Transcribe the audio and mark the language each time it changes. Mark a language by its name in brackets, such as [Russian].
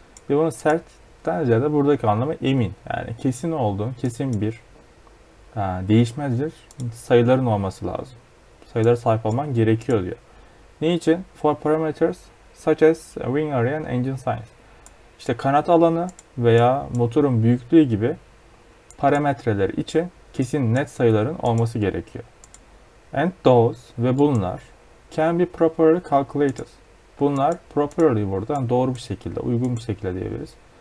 [Turkish] Ve bunu sert denince de buradaki anlamı emin. Yani kesin olduğun, kesin bir değişmez bir sayıların olması lazım. Sayılara sahip olman gerekiyor diyor. Ne için? [English] For parameters such as wing area and engine size. [Turkish] İşte kanat alanı veya motorun büyüklüğü gibi parametreler için kesin net sayıların olması gerekiyor. [English] And those [Turkish] ve bunlar [English] can be properly calculated. [Turkish] Bunlar properly buradan doğru bir şekilde, uygun bir şekilde diyebiliriz.